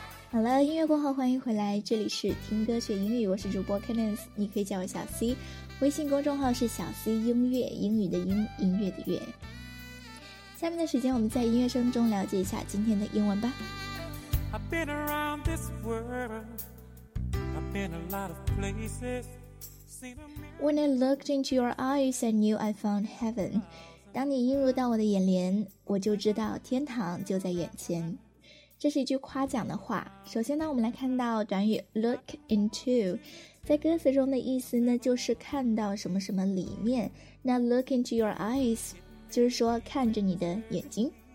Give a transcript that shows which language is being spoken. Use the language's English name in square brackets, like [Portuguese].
[Chinese] 好了，音乐过后欢迎回来，这里是听歌学英语，我是主播 Candice， 你可以叫我小 C， 微信公众号是小 C 音乐，英语的英，音乐的乐。下面的时间我们在音乐声中了解一下今天的英文吧。 [English] I've been around this world, I've been a lot of places, When I looked into your eyes, I knew I found heaven. [Chinese] 当你映入到我的眼帘，我就知道天堂就在眼前。这是一句夸奖的话。首先呢，我们来看到短语 look into， 在歌词中的意思呢，就是看到什么什么里面。那 [English] look into your eyes [Chinese] 就是说看着你的眼睛。